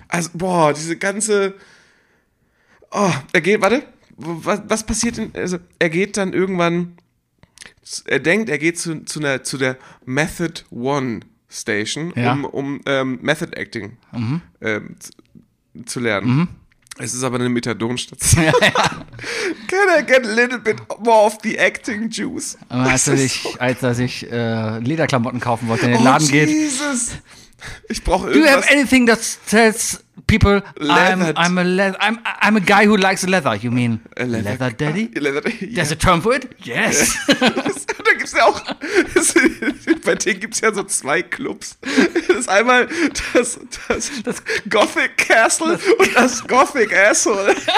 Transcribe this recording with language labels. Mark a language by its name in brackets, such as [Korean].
[German] Also, boah, diese ganze, oh, er geht, warte, was passiert denn, also, er geht dann irgendwann, er denkt, er geht zu der Method One Station, Method Acting zu lernen. Mhm. Es ist aber eine Methadonstation. Ja. [English] Can I get a little bit more of the acting juice? [German] Als ich Lederklamotten kaufen wollte, in den Laden geht. Jesus. Ich brauche irgendwas. [English] Do you have anything that tells people I'm a guy who likes leather? You mean leather daddy? Leather daddy, yeah. There's a term for it? Yes. [German] Da gibt's ja auch, bei denen gibt's ja so zwei Clubs. Das ist einmal das Gothic Castle und das Gothic Asshole.